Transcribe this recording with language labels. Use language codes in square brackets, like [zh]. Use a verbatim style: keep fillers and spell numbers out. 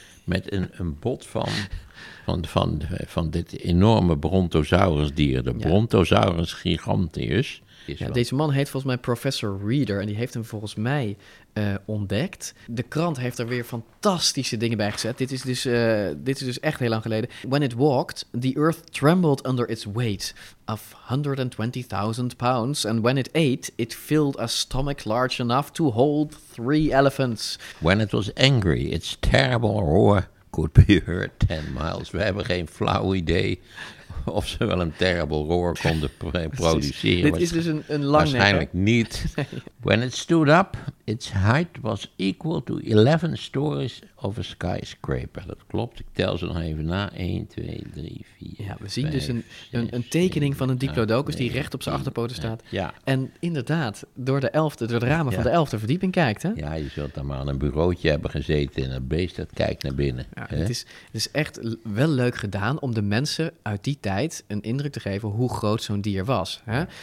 [nl] Met een, een bot van... Van, van, van dit enorme brontosaurusdier, de ja. Brontosaurus giganteus. Ja, deze man heet volgens mij Professor Reader en die heeft hem volgens mij uh, ontdekt. De krant heeft er weer fantastische dingen bij gezet. Dit is, dus, uh, dit is dus echt heel lang geleden. [en] When it walked, the earth trembled under its weight of one hundred twenty thousand pounds. And when it ate, it filled a stomach large enough to hold three elephants. When it was angry, its terrible roar could be heard ten miles. [nl] We hebben geen flauw idee of ze wel een [en] terrible roar [nl] konden pro- produceren. Dit is dus een, een lang waarschijnlijk niet. [en] When it stood up, its height was equal to eleven stories of a skyscraper. [nl] Dat klopt, ik tel ze nog even na. één, twee, drie, vier, Ja, we zien vijf, dus een, een, een tekening van een diplodocus die recht op zijn achterpoten staat. Ja. En inderdaad, door de, elfde, door de ramen ja. van de elfde verdieping kijkt. Hè? Ja, je zult dan maar aan een bureautje hebben gezeten en een beest dat kijkt naar binnen. Ja, het, is, het is echt wel leuk gedaan om de mensen uit die tijd een indruk te geven hoe groot zo'n dier was. Hè?